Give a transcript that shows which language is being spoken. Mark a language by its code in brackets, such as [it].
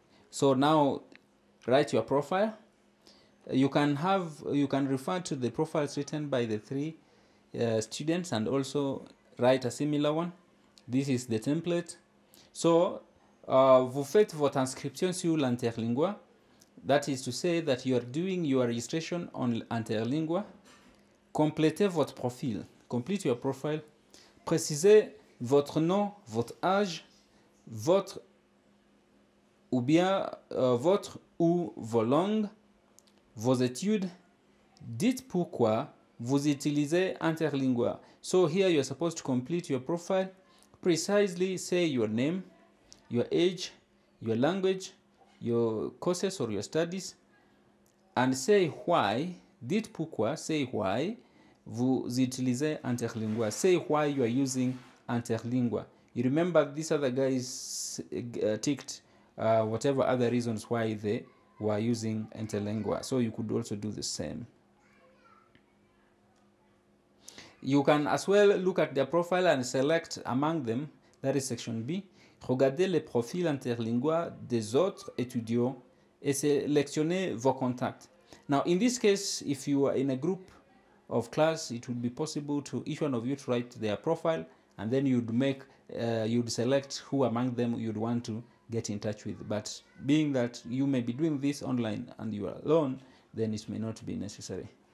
[en] So now, write your profile. You can refer to the profiles written by the three students and also write a similar one. This is the template. So, [fr] vous faites votre inscription sur l'interlingua. [en] That is to say that you are doing your registration on interlingua. [fr] Complétez votre profil. [en] Complete your profile. [fr] Précisez votre nom, votre âge, votre ou bien votre ou vos langues, vos études. Dites pourquoi vous utilisez interlingua. [en] So here you are supposed to complete your profile. Precisely say your name, your age, your language, your courses or your studies, and say why, [fr] dites pourquoi, [en] say why [fr] vous utilisez interlingua. [en] Say why you are using interlingua. You remember these other guys ticked whatever other reasons why they were using interlingua. So you could also do the same. You can as well look at their profile and select among them. That is section B. [fr] Regardez les profils interlingua des autres étudiants et sélectionnez vos contacts. [en] Now, in this case, if you are in a group of class, it would be possible to each one of you to write their profile, and then you'd make, you'd select who among them you'd want to get in touch with. But being that you may be doing this online and you are alone, then it may not be necessary.